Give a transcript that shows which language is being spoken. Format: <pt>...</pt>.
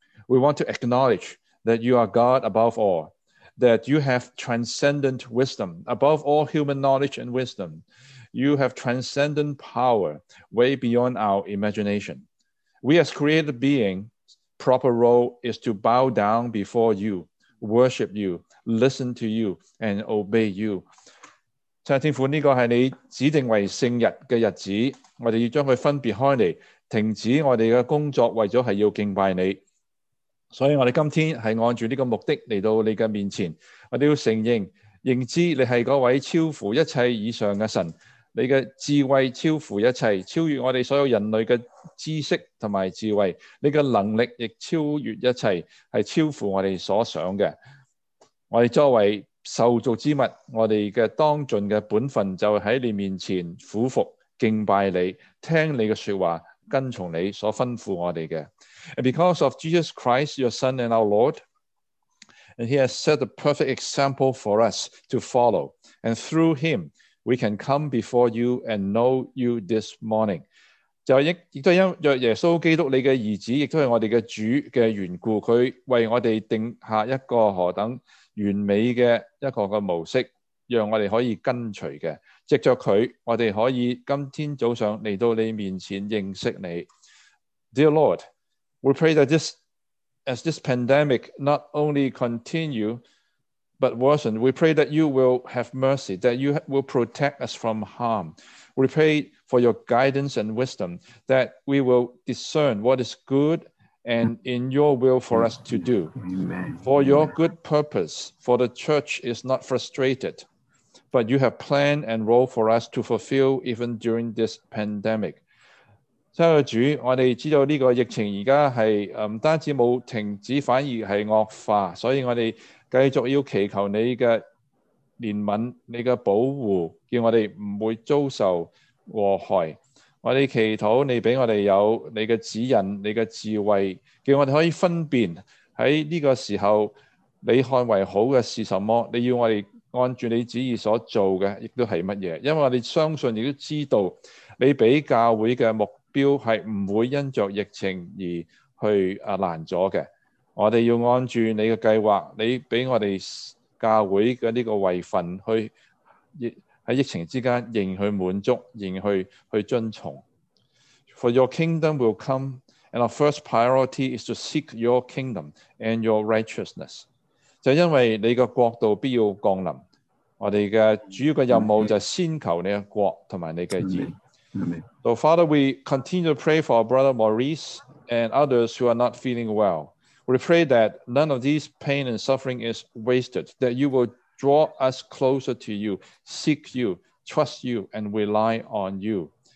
<en>We want to acknowledge that you are God above all, that you have transcendent wisdom, above all human knowledge and wisdom. You have transcendent power way beyond our imagination. We as created beings, proper role is to bow down before you, worship you, listen to you, and obey you.</en> <zh>上天父，这个是你指定为圣日的日子，我们要将它分别开来，停止我们的工作，为了是要敬拜你。所以我们今天是按着这个目的来到你的面前，我们要承认认知你是那位超乎一切以上的神，你的智慧超乎一切，超越我们所有人类的知识和智慧，你的能力也超越一切，是超乎我们所想的。我们作为受造之物，我们的当尽的本分就在你面前俯伏敬拜你，听你的说话，跟从你所吩咐我们的。</zh> <en>And because of Jesus Christ, your Son and our Lord, and he has set a perfect example for us to follow, and through him, we can come before you and know you this morning.</en> <zh>就亦都因着耶稣基督你的儿子，亦都是我们的主的缘故，他为我们定下一个何等完美的一个的模式，让我们可以跟随的，藉着祂我们可以今天早上来到你面前认识你。</zh> <en>Dear Lord, we pray that this, as this pandemic not only continue but worsen, we pray that you will have mercy, that you will protect us from harm. We pray for your guidance and wisdom, that we will discern what is goodand in your will for us to do. Amen. For your good purpose, for the church is not frustrated, but you have plan and role for us to fulfill even during this pandemic.</en> <zh>亲爱的主，我们知道这个疫情现在是不单止没有停止，反而是恶化，所以我们继续要祈求你的怜悯，你的保护，叫我们不会遭受祸害。我们祈祷你给我们有你的指引，你的智慧，叫我们可以分辨在这个时候你看为好的是什么，你要我们按着你旨意所做的也都是什么，因为我们相信也都知道你给教会的目标是不会因着疫情而去拦阻的，我们要按着你的计划，你给我们教会的这个位份去在疫情之间仍去满足，仍去遵从。</zh> <en>For your kingdom will come, and our first priority is to seek your kingdom and your righteousness.</en> <zh>就因为你的国度必要降临，我们的主要的任务就是先求你的国和你的义。</zh> <en>Amen. So Father, we continue to pray for our brother Maurice and others who are not feeling well. We pray that none of these pain and suffering is wasted, that you will draw us closer to you, seek you, trust you, and rely on you.</en>